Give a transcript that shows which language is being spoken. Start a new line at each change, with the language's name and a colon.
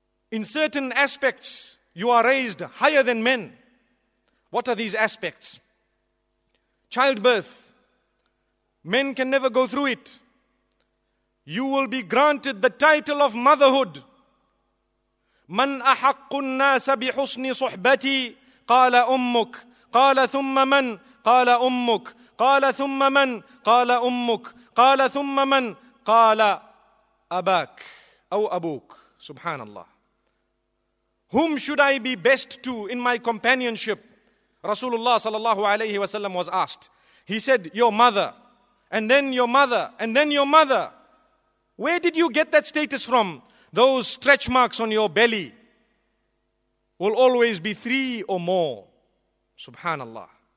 English: In certain aspects, you are raised higher than men. What are these aspects? Childbirth. Men can never go through it. You will be granted the title of motherhood.
Arabic: مَنْ أَحَقُّ النَّاسَ بِحُسْنِ صُحْبَتِي قَالَ أُمُّكَ قَالَ ثُمَّ مَنْ قَالَ أُمُّكَ قَالَ ثُمَّ مَنْ قَالَ أُمُّكَ قَالَ ثُمَّ مَنْ قَالَ أَبَاكَ أَوْ أَبُوكَ Subhanallah.
English: Whom should I be best to in my companionship? Rasulullah sallallahu alayhi wa sallam was asked. He said, your mother, and then your mother, and then your mother. Where did you get that status from? Those stretch marks on your belly will always be three or more. Subhanallah.